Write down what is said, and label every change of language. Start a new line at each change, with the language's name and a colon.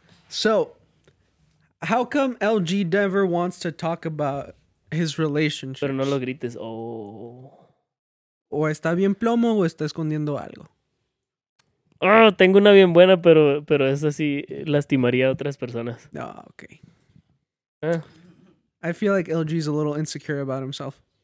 English: So, how come LG Denver wants to talk about his relationship?
Spanish: Pero no lo grites. Oh. o está bien plomo o está escondiendo algo. Oh, tengo una bien buena, pero esa sí lastimaría a otras personas.
English: No, oh, okay. I feel like LG's a little insecure about himself.